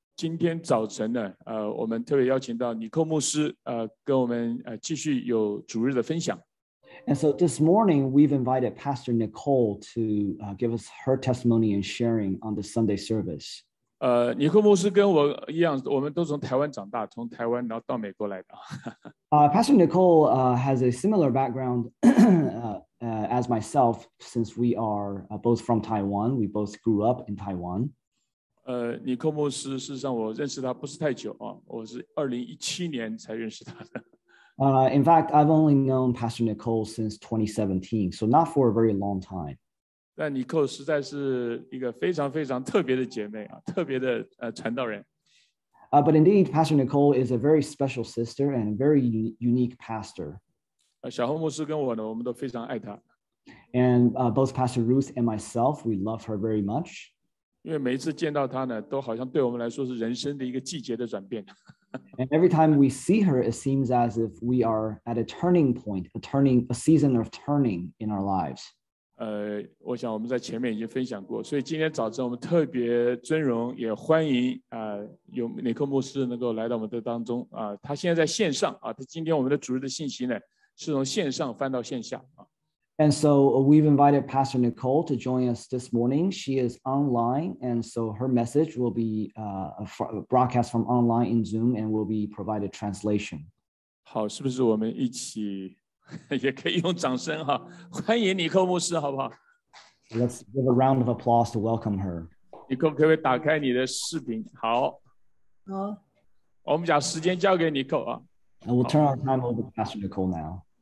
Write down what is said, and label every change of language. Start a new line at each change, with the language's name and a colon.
Chinese: 今天早晨呢，我们特别邀请到尼寇牧师，跟我们继续有主日的分享。
English: And so this morning, we've invited Pastor Nicole to give us her testimony and sharing on the Sunday service.
Chinese: 尼寇牧师跟我一样，我们都从台湾长大，从台湾然后到美国来的。
English: Pastor Nicole has a similar background as myself, since we are both from Taiwan. We both grew up in Taiwan.
Chinese: 尼寇牧师，事实上我认识他不是太久啊，我是2017年才认识他的。
English: In fact, I've only known Pastor Nicole since 2017, so not for a very long time.
Chinese: 但尼寇实在是一个非常非常特别的姐妹啊，特别的传道人。
English: But indeed, Pastor Nicole is a very special sister and a very unique pastor.
Chinese: 小红牧师跟我呢，我们都非常爱她。
English: And both Pastor Ruth and myself, we love her very much.
Chinese: 因为每一次见到她呢，都好像对我们来说是人生的一个季节的转变。
English: And every time we see her, it seems as if we are at a turning point, a season of turning in our lives.
Chinese: 我想我们在前面已经分享过，所以今天早晨我们特别尊荣，也欢迎有尼寇牧师能够来到我们的当中啊。他现在在线上啊，他今天我们的主日的信息呢，是从线上翻到线下啊。
English: And so we've invited Pastor Nicole to join us this morning. She is online, and so her message will be broadcast from online in Zoom and will be provided translation.
Chinese: 好，是不是我们一起也可以用掌声哈，欢迎尼寇牧师，好不好？
English: Let's give a round of applause to welcome her.
Chinese: 尼寇，可不可以打开你的视频？好。好。我们把时间交给尼寇啊。
English: And we'll turn our time over to Pastor Nicole now.